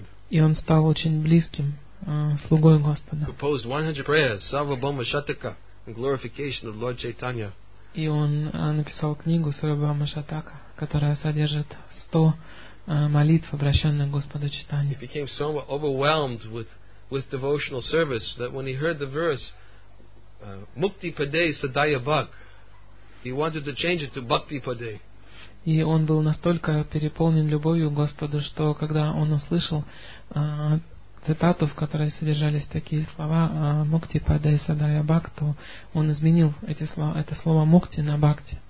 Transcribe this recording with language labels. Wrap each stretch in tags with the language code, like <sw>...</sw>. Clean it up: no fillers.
<ru>И он стал очень близким слугой Господа.</ru> <en>Composed 100 prayers, Sarvabhauma Shataka, in glorification of Lord Chaitanya.</en> <ru>И он написал книгу Сарвабхаума Шатака, которая содержит 100 молитв, обращенных к Господу Читания.</ru> <en>He became so overwhelmed with devotional service that when he heard the verse</en> <sa>Mukti Pade Sadaya Bhak,</sa> <en>he wanted to change it to Bhakti Pade.</en> <ru>И он был настолько переполнен любовью к Господу, что когда он услышал цитату, в которой содержались такие слова</ru> <sa>«Мукти падай садая бхакту»,</sa> <ru>он изменил эти слова, это слово «мукти» на «бхакти».</ru>